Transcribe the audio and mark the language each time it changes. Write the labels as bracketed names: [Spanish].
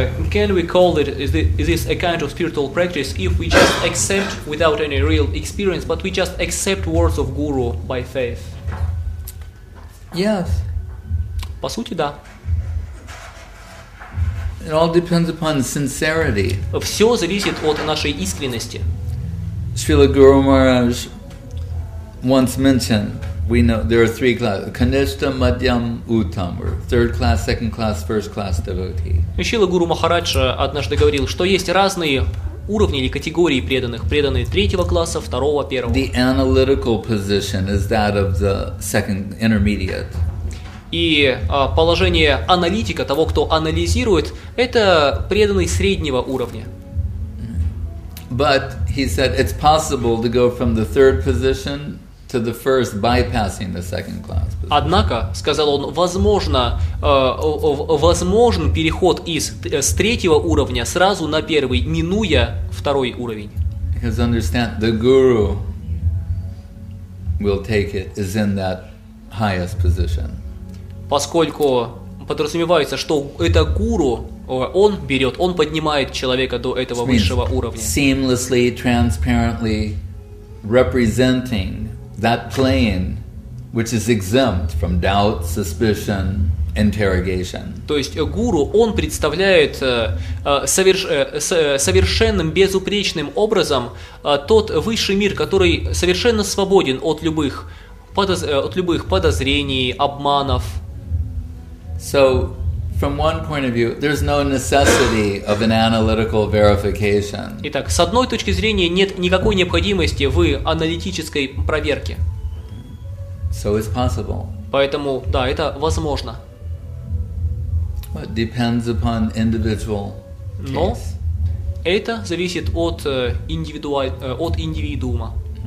[English] Can we call it, is this a kind of spiritual practice if we just accept without any real experience, but we just accept words of Guru by faith? Yes. [Russian] По сути, да. [English] It all depends upon sincerity. [Russian] Все зависит от нашей искренности. [English] Srila Guru Maharaj once mentioned, we know there are three classes: Kanishta, Madhyam, Uttam, or third class, second class, first class devotee. [Russian] Шрила Гуру Махарадж однажды говорил, что есть разные уровни или категории преданных: преданные третьего класса, второго, первого. [English] The analytical position is that of the second intermediate. [Russian] И положение аналитика, того, кто анализирует, это преданный среднего уровня. [English] But he said it's possible to go from the third position to the first, bypassing the second class. [Russian] Однако, сказал он, возможен переход из третьего уровня сразу на первый, минуя второй уровень. [English] Because understand, the guru will take it is in that highest position. [Russian] Поскольку подразумевается, что это гуру, он берет, он поднимает человека до этого высшего уровня. [English] Seamlessly, transparently representing that plane which is exempt from doubt, suspicion, interrogation. [Russian] То есть гуру, он представляет совершенным, безупречным образом тот высший мир, который совершенно свободен от любых подозрений, обманов. [English] So, from one point of view, there's no necessity of an analytical verification. [Russian] Итак, с одной точки зрения, нет никакой необходимости в аналитической проверке. [English] So it's possible. [Russian] Поэтому, да, это возможно. [English] But depends upon individual case. [Russian] Но это зависит от индивидуума.